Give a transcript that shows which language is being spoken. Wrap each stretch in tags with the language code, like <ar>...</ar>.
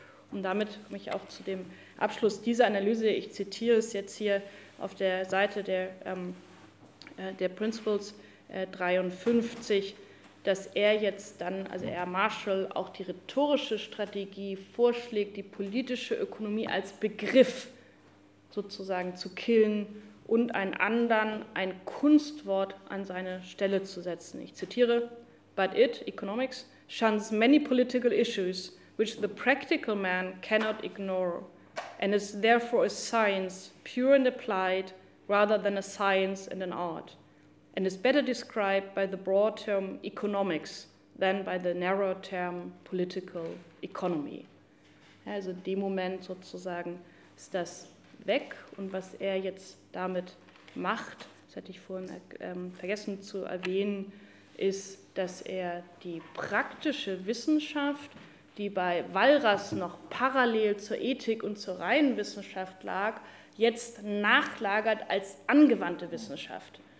<de>Und damit komme ich auch zu dem Abschluss dieser Analyse. Ich zitiere es jetzt hier auf der Seite der Principles 53, dass er jetzt dann, also er Marshall, auch die rhetorische Strategie vorschlägt, die politische Ökonomie als Begriff sozusagen zu killen und einen anderen, ein Kunstwort an seine Stelle zu setzen. Ich zitiere,</de> <en>but it, economics, shuns many political issues which the practical man cannot ignore and is therefore a science pure and applied rather than a science and an art and is better described by the broad term economics than by the narrow term political economy.</en> <de>Also in dem Moment sozusagen ist das weg und was er jetzt damit macht, das hatte ich vorhin vergessen zu erwähnen, ist, dass er die praktische Wissenschaft, die bei Walras noch parallel zur Ethik und zur reinen Wissenschaft lag, jetzt nachlagert als angewandte Wissenschaft.</de>